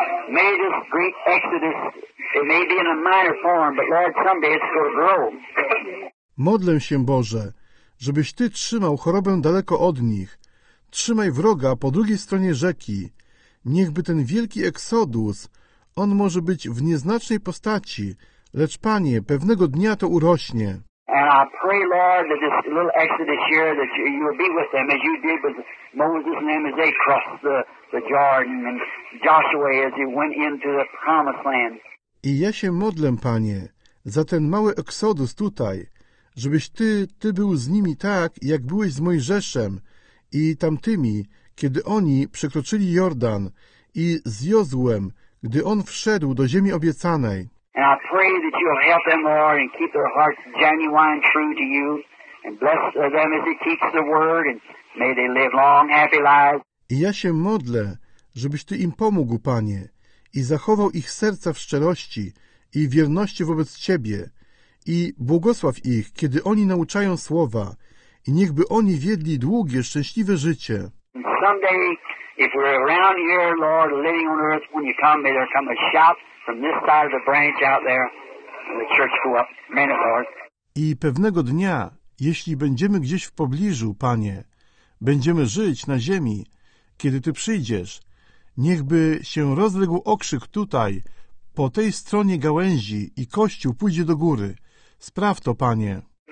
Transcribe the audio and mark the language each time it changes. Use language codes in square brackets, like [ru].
[en] May this great exodus, it may be in a minor form, but Lord, someday it's going to grow. [pl] Modlę się, Boże, żebyś Ty trzymał chorobę daleko od nich. Trzymaj wroga po drugiej stronie rzeki. Niechby ten wielki eksodus, on może być w nieznacznej postaci, lecz, Panie, pewnego dnia to urośnie. [en] And I pray, Lord, that this little exodus here, that you will be with them as you did with Moses and them as they crossed the Jordan and Joshua as he went into the promised land. [pl] I ja się modlę, Panie, za ten mały eksodus tutaj, żebyś Ty był z nimi tak, jak byłeś z Mojżeszem i tamtymi, kiedy oni przekroczyli Jordan i z Jozłem, gdy on wszedł do ziemi obiecanej. [en] And I pray that you'll help them, Lord, and keep their hearts genuine true to you and bless them as they teach the word and may they live long, happy lives. [pl] I ja się modlę, żebyś Ty im pomógł, Panie, i zachował ich serca w szczerości i wierności wobec Ciebie i błogosław ich, kiedy oni nauczają słowa i niechby oni wiedli długie, szczęśliwe życie. [en] And someday, if we're around here, Lord, living on earth, when you come, may there come a shout from this side of the branch out there and the church go up. Amen, Lord. [pl] I pewnego dnia, jeśli będziemy gdzieś w pobliżu, Panie, będziemy żyć na ziemi, kiedy Ty przyjdziesz, niechby się rozległ okrzyk tutaj, po tej stronie gałęzi i Kościół pójdzie do góry. Spraw to, Panie.